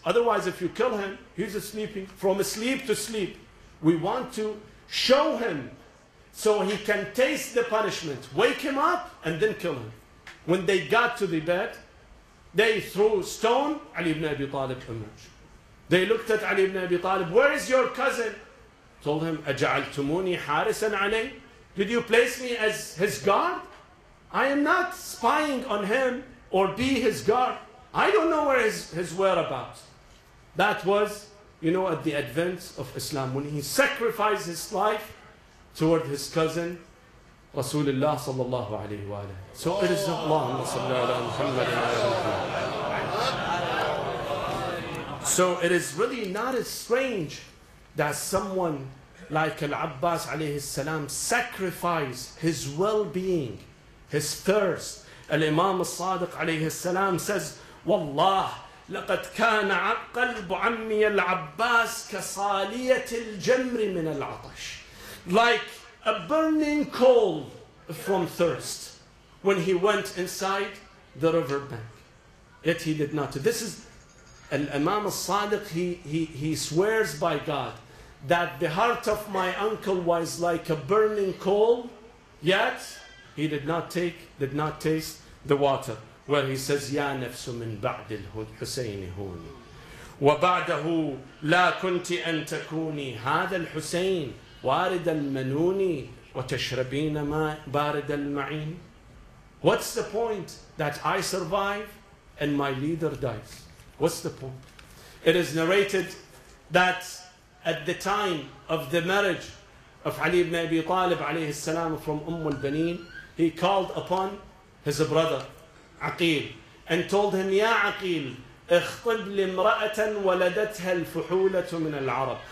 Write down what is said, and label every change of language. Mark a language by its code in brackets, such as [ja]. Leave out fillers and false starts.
[en] Otherwise, if you kill him, he's sleeping. From sleep to sleep. We want to show him so he can taste the punishment. Wake him up and then kill him. When they got to the bed, they threw stone. Ali ibn Abi Talib emerged. They looked at Ali ibn Abi Talib. Where is your cousin? Told him, [ar] أَجَعَلْتُمُونِي حَارِسًا عَلَيْهِ. [en] Did you place me as his guard? I am not spying on him or be his guard. I don't know where his whereabouts. That was, you know, at the advent of Islam, when he sacrificed his life toward his cousin, Rasulullah sallallahu alayhi wa alayhi. So it is Allahumma salli ala Muhammad wa ala Muhammad. So it is really not as strange that someone like Al-Abbas alayhi salam sacrificed his well-being, his thirst. Al-Imam al-Sadiq alayhi salam says, Wallah, [ar] لقد كان قلب عمي العباس كصالية الجمر من العطش. [en] Like a burning coal from thirst when he went inside the river bank. Yet he did not. This is Al-Imam al-Sadiq, he swears by God that the heart of my uncle was like a burning coal, yet he did not taste the water. Where he says, [ar] يَا نَفْسُ مِنْ بَعْدِ الْحُسَيْنِ هُونِ وَبَعْدَهُ لَا كُنْتِ أَنْ تَكُونِي هَذَا الْحُسَيْنِ وَارِدَ الْمَنُونِ وَتَشْرَبِينَ مَا بَارِدَ الْمَعِينِ. [en] What's the point that I survive and my leader dies? What's the point? It is narrated that at the time of the marriage of Ali ibn Abi Talib alayhi salam from Umm al-Baneen, he called upon his brother Aqil and told him, Ya Aqil, [ar] اخطب لامرأة ولدتها الفحولة من العرب.